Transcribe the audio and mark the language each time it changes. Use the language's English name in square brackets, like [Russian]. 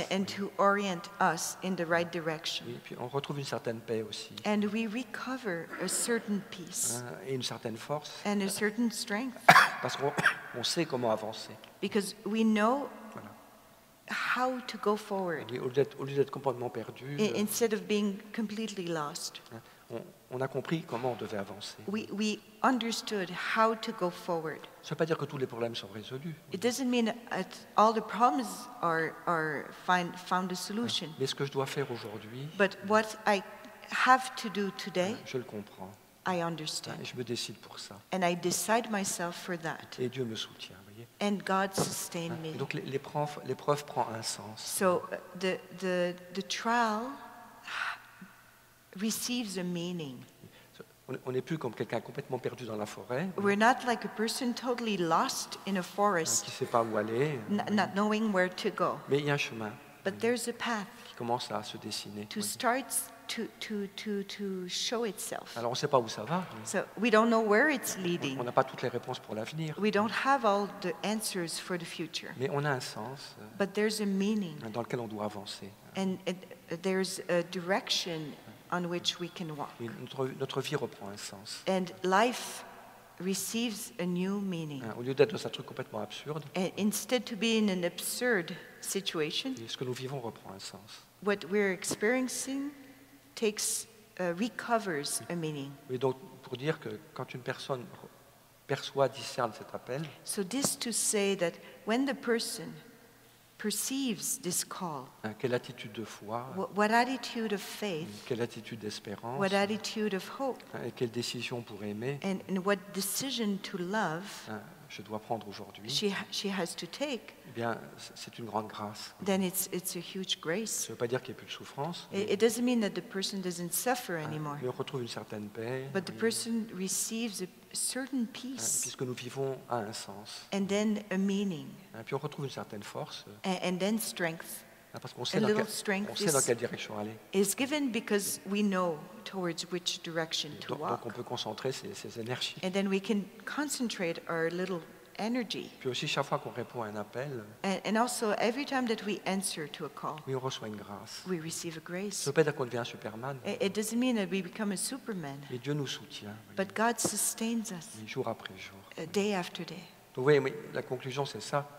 [English] And to orient us in the right direction. [French] Et puis on retrouve une certaine paix aussi. [English] And we recover a certain peace. [French] Et une certaine force. [English] And a certain strength. [French] Parce qu'on sait comment avancer. [English] Because we know how to go forward. [French] Au lieu d'être complètement perdu, [English] instead of being completely lost, [French] on a compris comment on devait avancer. [English] We understood how to go forward. [French] Ça veut pas dire que tous les problèmes sont résolus. [English] It doesn't mean that all the problems are found a solution. [French] Mais ce que je dois faire aujourd'hui, [English] but what I have to do today, [French] je le comprends. [English] I understand. [French] Et je me décide pour ça. [English] And I decide myself for that. [French] Et Dieu me soutient. [English] And God sustained me. [French] Donc l'épreuve prend un sens. [English] So the trial receives a meaning. [French] On n'est plus comme quelqu'un complètement perdu dans la forêt. [English] We're not like a person totally lost in a forest. [French] Qui ne sait pas où aller. [English] Not knowing where to go. [French] Mais il y a un chemin. [English] But there's a path. [French] Qui commence à se dessiner. [English] To start to show itself. [French] Alors on sait pas où ça va. [English] So we don't know where it's leading. [French] On n'a pas toutes les réponses pour l'avenir. [English] We don't have all the answers for the future. [French] Mais on a un sens. [English] But there's a meaning. [French] Dans lequel on doit avancer. [English] And there's a direction on which we can walk. [French] Notre vie reprend un sens. [English] And life receives a new meaning. [French] Au lieu d'être dans un truc complètement absurde. [English] And instead to be in an absurd situation. [French] Ce que nous vivons reprend un sens. [English] What we're experiencing takes recovers a meaning. [French] Oui, donc pour dire que quand une personne perçoit, discerne cet appel. [English] So this to say that when the person perceives this call. [French] Quelle attitude de foi? [English] What attitude of faith? [French] Quelle attitude d'espérance? [English] What attitude of hope? [French] Et quelle décision pour aimer? [English] And what decision to love? [French] Je dois prendre aujourd'hui. [English] She has to take. [French] Eh bien, c'est une grande grâce. [English] Then it's a huge grace. [French] Ça ne veut pas dire qu'il n'y a plus de souffrance. [English] It doesn't mean that the person doesn't suffer anymore. [French] Mais on retrouve une certaine paix. [English] But the person receives a certain peace. [French] Puisque nous vivons a un sens. [English] And then a meaning. [French] Puis on retrouve une certaine force. [English] And then strength. [French] Parce qu'on sait dans quelle direction aller. [English] Is given because we know towards which direction to walk. [French] Donc on peut concentrer ses énergies. [English] And then we can concentrate our little energy. [French] Puis aussi chaque fois qu'on répond à un appel. [English] And also every time that we answer to a call. [French] Oui, on reçoit une grâce. [English] We receive a grace. [French] Ça veut pas dire qu'on devient un Superman. [English] It doesn't mean that we become a Superman. [French] Mais Dieu nous soutient. [English] But God sustains us. [French] Jour après jour. [English] Day after day. [French] Donc, oui, la conclusion, c'est ça.